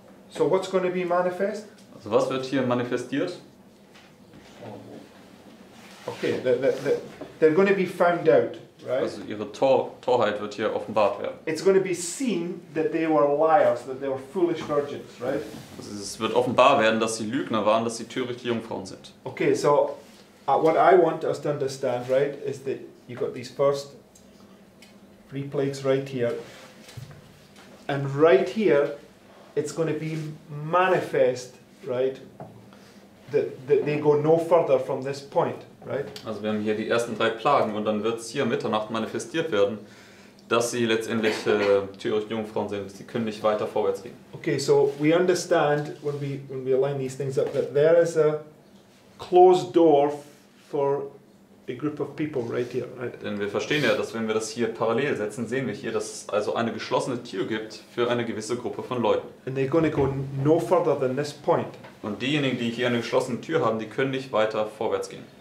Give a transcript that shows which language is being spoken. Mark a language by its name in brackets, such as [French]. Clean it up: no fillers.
[English] So what's going to be manifest? [German] Also was wird hier manifestiert? [English] Okay, they're going to be found out, right? [German] Also ihre Torheit wird hier offenbart werden. [English] It's going to be seen that they were liars, that they were foolish virgins, right? [German] Also es wird offenbar werden, dass sie Lügner waren, dass sie törichte Jungfrauen sind. [English] Okay, so what I want us to understand, right, is that you got these first three plagues right here. And right here, it's going to be manifest, right, that they go no further from this point. Right? [German] Also wir haben hier die ersten drei Plagen und dann wird es hier Mitternacht manifestiert werden, dass sie letztendlich törichte Jungfrauen sind. Sie können nicht weiter vorwärts gehen. [English] Okay, so we understand when we align these things up that there is a closed door for a group of people right here. Right? [German] Denn wir verstehen ja, dass wenn wir das hier parallel setzen, sehen wir hier, dass es also eine geschlossene Tür gibt für eine gewisse Gruppe von Leuten. [English] And they're going to go no further than this point. [German] Und diejenigen, die hier eine geschlossene Tür haben, die können nicht weiter vorwärts gehen.